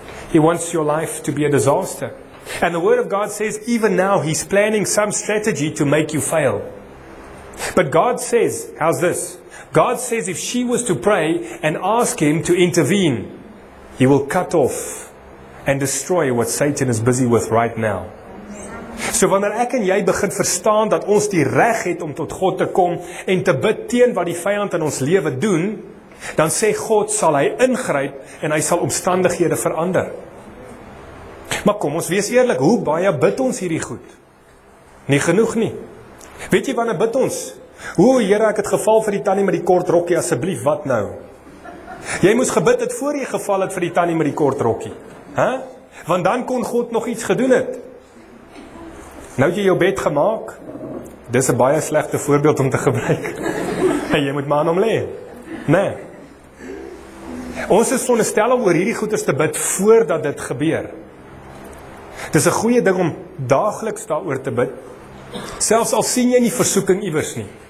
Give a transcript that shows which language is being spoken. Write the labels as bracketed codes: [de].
[en] He wants your life to be a disaster. And the Word of God says even now he's planning some strategy to make you fail. But God says, how's this? God says if she was to pray and ask him to intervene, he will cut off and destroy what Satan is busy with right now. [af] So wanneer ek en jy begin verstaan dat ons die reg het om tot God te kom en te bid teen wat die vyand in ons lewe doen, dan sê God sal hy ingryp en hy sal omstandighede verander. Maar kom ons wees eerlik, hoe baie bid ons hierdie goed? Nie genoeg nie. Weet jy wanneer bid ons? O Here, ek het geval vir die tannie met die kort rokkie, asseblief, wat nou? Jy moes gebid het voor jy geval het vir die tannie met die kort rokkie. Hè? Want dan kon God nog iets gedoen het. Nou het jy jou bed gemaak. Dis 'n baie slegte voorbeeld om te gebruik. En jy moet maar aan hom lê. Nee. Ons is veronderstel om oor hierdie goeders te bid voordat dit gebeur. Dis 'n goeie ding om daagliks daaroor te bid. Selfs al sien jy nie versoeking iewers nie.